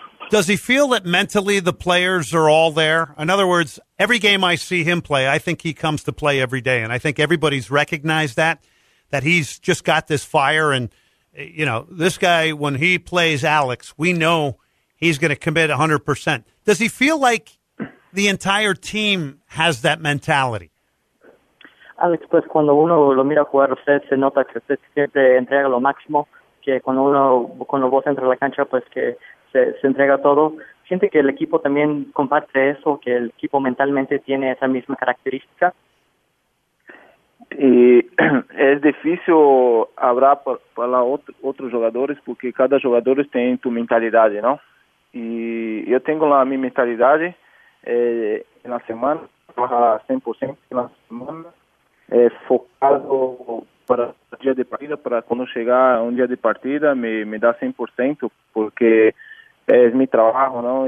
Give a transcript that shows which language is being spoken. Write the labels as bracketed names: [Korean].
[English] Does he feel that mentally the players are all there? In other words, every game I see him play, I think he comes to play every day, and I think everybody's recognized that he's just got this fire. And, you know, this guy, when he plays Alex, we know he's going to commit 100%. Does he feel like the entire team has that mentality? [Spanish] Alex, pues cuando uno lo mira jugar a usted, se nota que usted siempre entrega lo máximo, que cuando vos entras a la cancha, pues que se entrega todo. Siente que el equipo también comparte eso, que el equipo mentalmente tiene esa misma característica. [Portuguese] E é difícil falar para outros jogadores, porque cada jogador tem sua mentalidade, não? E eu tenho a minha mentalidade na semana, 100% na semana, focado para o dia de partida, para quando chegar um dia de partida, me dá 100%, porque é meu trabalho, não?